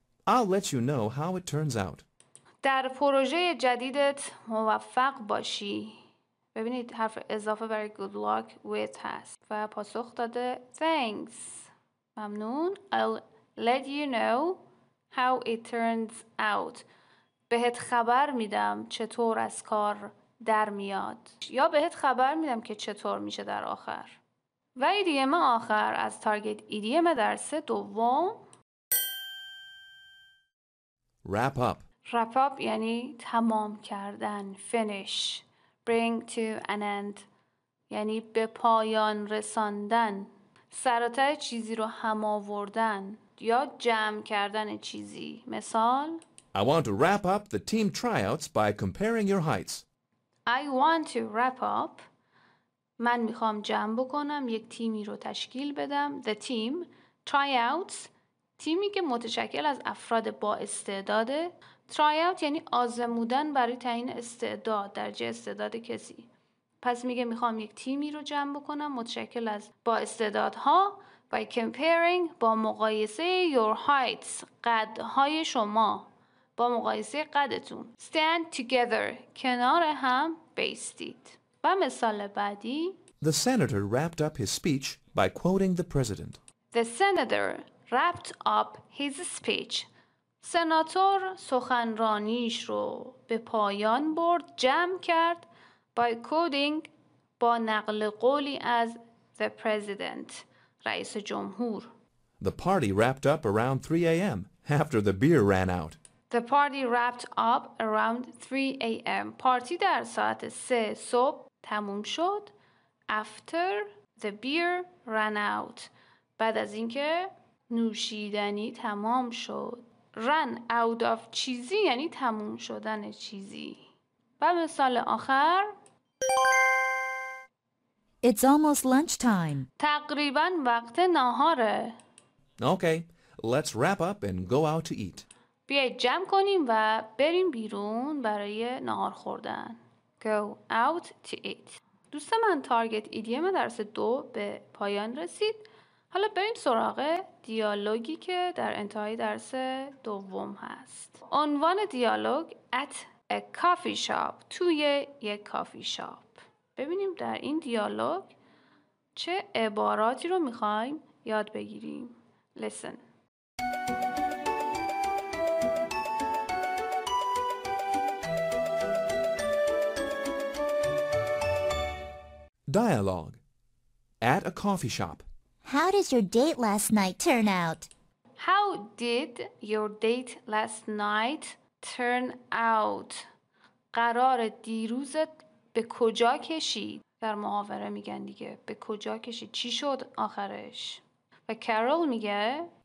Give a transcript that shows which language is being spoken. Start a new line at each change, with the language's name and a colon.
English: I'll let you know how it turns out.
Persian: در پروژه جدیدت موفق باشی. ببینید حرف اضافه برای
English: good luck with
Persian: هست. و پاسخ داده thanks. ممنون.
English: I'll let you know how it turns out.
Persian: بهت خبر میدم چطور از کار در میاد یا بهت خبر میدم که چطور میشه در آخر. و ایدیم آخر از تارگت ایدیم درس دوم.
English: Wrap up
Persian: یعنی تمام کردن.
English: Finish. Bring to an end
Persian: یعنی به پایان رسوندن. سراته چیزی رو هم آوردن یا جمع کردن چیزی. مثال
English: I want to wrap up the team tryouts by comparing your heights. I want to wrap up.
Persian: من میخوام جمع بکنم یک تیمی رو تشکیل بدم.
English: The team. Tryouts.
Persian: تیمی که متشکل از افراد با استعداده. Tryout یعنی آزمودن برای تعیین استعداد. درجه استعداد کسی. پس میگه میخوام یک تیمی رو جمع بکنم متشکل از با استعدادها.
English: By comparing.
Persian: با مقایسه
English: your heights.
Persian: قدهای شما. با مقایسه قدتون.
English: Stand together.
Persian: کنار هم بایستید. و مثال بعدی.
English: The senator wrapped up his speech by quoting the president. The senator wrapped up his speech.
Persian: سناتور سخنرانیش رو به پایان برد. جمع کرد.
English: By quoting.
Persian: با نقل قولی از
English: the president.
Persian: رئیس جمهور.
English: The party wrapped up around 3 a.m. after the beer ran out. The party wrapped up around 3 a.m.
Persian: پارتی در ساعت 3 صبح تموم شد.
English: After the beer ran out.
Persian: بعد از اینکه نوشیدنی تمام شد.
English: run out of
Persian: چیزی یعنی تموم شدن چیزی. و مثال آخر
English: It's almost lunch time.
Persian: تقریبا وقت ناهاره.
English: Okay, let's wrap up and go out to eat.
Persian: بیایید جمع کنیم و بریم بیرون برای ناهار خوردن.
English: Go out to eat.
Persian: دوست من تارگت ایدیم درس دو به پایان رسید. حالا بریم سراغ دیالوگی که در انتهای درس دوم هست. عنوان دیالوگ
English: at a coffee shop.
Persian: توی یک کافی شاپ. ببینیم در این دیالوگ چه عباراتی رو میخوایم یاد بگیریم.
English: Listen. Dialogue. At a coffee shop. How did your date last night turn out? How did your date last night turn out?
Persian: قرار دیروزت به کجا کشید؟ در محاوره میگن دیگه به کجا کشید؟ چی شد آخرش؟ و کارول میگه